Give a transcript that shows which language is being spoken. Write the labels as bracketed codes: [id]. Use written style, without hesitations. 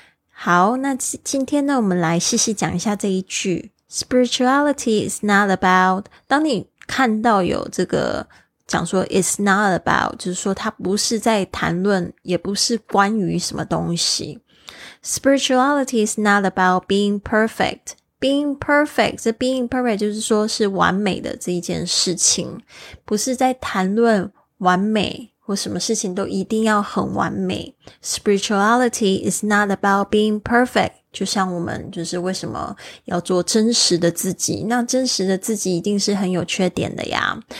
[zh] 好，那今天呢，我们来细细讲一下这一句 [en] Spirituality is not about。 [zh] 当你看到有这个讲说 is not about， 就是说它不是在谈论，也不是关于什么东西。 [en] Spirituality is not about being perfect。 [zh] Being perfect， 这 being perfect 就是说是完美的这一件事情，不是在谈论完美或什么事情都一定要很完美。 [en] Spirituality is not about being perfect， [zh] 就像我们就是为什么要做真实的自己，那真实的自己一定是很有缺点的呀。